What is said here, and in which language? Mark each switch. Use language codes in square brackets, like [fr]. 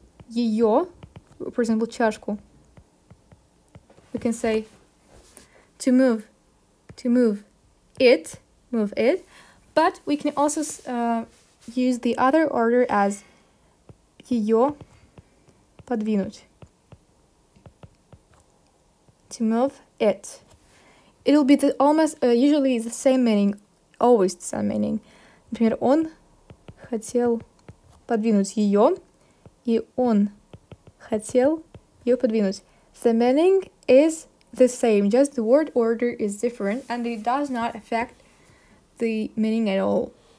[en] её, for example, чашку, we can say to move it, but we can also use the other order as [ru] её подвинуть, [en] to move it. It'll be the almost usually the same meaning, always the same meaning. [ru] Например, он хотел подвинуть её, и он хотел её подвинуть. [en] The meaning is the same, just the word order is different, and it does not affect the meaning at all.